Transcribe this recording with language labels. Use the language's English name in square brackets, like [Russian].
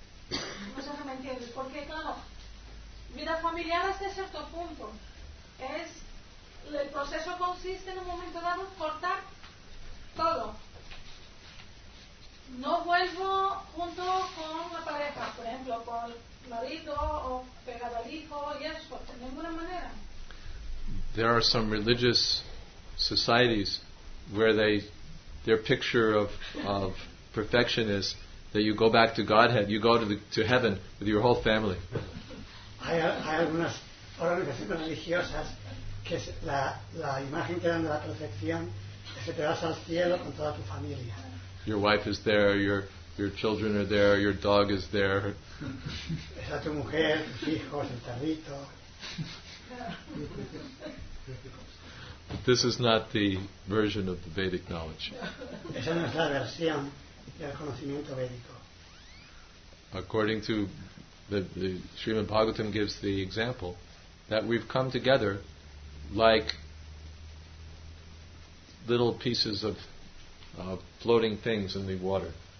[Spanish] No sé si me entiendes, porque claro, vida familiar hasta cierto punto es, el proceso consiste en un momento dado cortar todo. No vuelvo junto con la pareja, por ejemplo, con el marido o pegado al hijo y eso, de ninguna manera. [English] There are some religious societies where their picture of perfection is that you go back to Godhead, you go to heaven with your whole family. [Spanish] Hay algunas organizaciones religiosas que la imagen que dan de la perfección es que te vas al cielo con toda tu familia. [English] Your wife is there, your children are there, your dog is there. [Spanish] Es a tu mujer, tus hijos, el perrito. [English] But this is not the version of the Vedic knowledge. [Spanish] Esa no es la versión del conocimiento védico. [English] According to the Srimad Bhagavatam gives the example that we've come together like little pieces of floating things in the water.